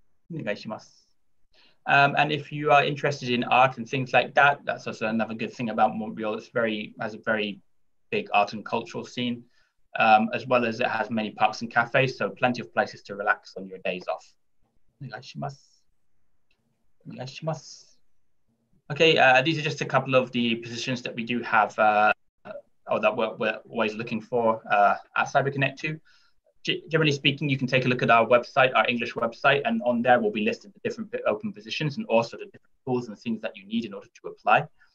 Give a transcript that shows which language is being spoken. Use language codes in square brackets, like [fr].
[ja] お願いします. [en] And if you are interested in art and things like that, that's also another good thing about Montreal. It's very has a very big art and cultural scene, as well as it has many parks and cafes, so plenty of places to relax on your days off. [ja] お願いします。お願いします。 [en] Okay, these are just a couple of the positions that we do have, or that we're always looking for at CyberConnect too. Generally speaking, you can take a look at our website, our English website, and on there will be listed the different open positions and also the different tools and things that you need in order to apply.